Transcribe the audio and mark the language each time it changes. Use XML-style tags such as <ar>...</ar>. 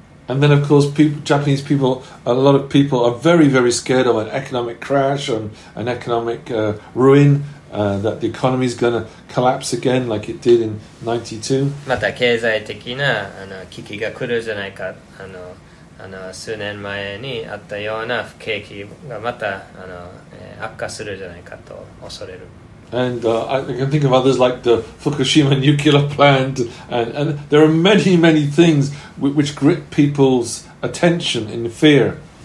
<en>And then, of course, Japanese people, a lot of people are very, very scared of an economic crash or an economic ruin, that the economy is going to collapse again like it did in 92.</en> <ja>また経済的な危機が来るじゃないか。数年前にあったような不景気がまた悪化するじゃないかと恐れる。</ja> <en>And I can think of others like the Fukushima nuclear plant, and there are many, many things which grip people's attention in fear.</en>